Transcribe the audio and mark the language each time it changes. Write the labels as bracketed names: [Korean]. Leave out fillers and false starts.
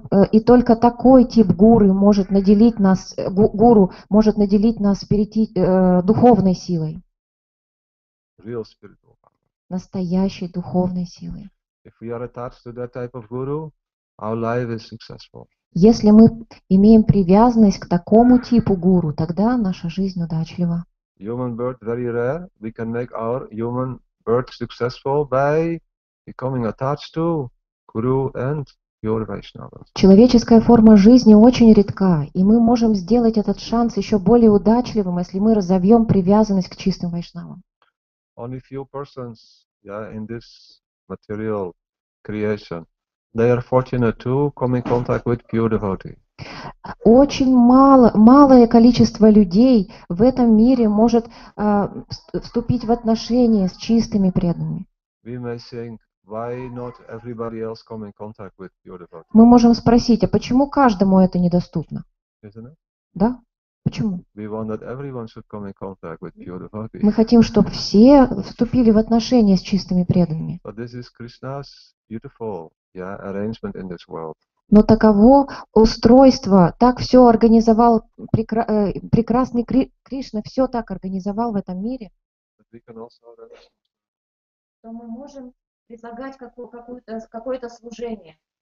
[Russian] И только такой тип гуры может наделить нас, гуру может наделить нас духовной силой. [English] Real spiritual power. [Russian] Настоящей духовной силой. [English] If we are attached to that type of guru, our life is successful. [Russian] Если мы имеем привязанность к такому типу гуру, тогда наша жизнь удачлива. [English] Human birth very rare. We can make our human birth successful by becoming attached to guru and [Russian] Человеческая форма жизни очень редка, и мы можем сделать этот шанс еще более удачливым, если мы разовьем привязанность к чистым вайшнавам. [English] Only few persons, in this material creation, they are fortunate to come in contact with pure devotee. [Russian] Очень малое количество людей в этом мире может вступить в отношения с чистыми преданными. [English] We may think, why not everybody else come in contact with pure devotees? [Russian] Мы можем спросить, а почему каждому это недоступно? [English] Isn't it? [Russian] Да? Почему? [English] We want that everyone should come in contact with pure devotees. [Russian] Мы хотим, чтобы все вступили в отношения с чистыми преданными. [English] But this is Krishna's beautiful, arrangement in this world. [Russian] Но таково устройство, так все организовал прекрасный Кришна, все так организовал в этом мире. [English] But we can also arrange [Russian] то мы можем предлагать какое-то служение.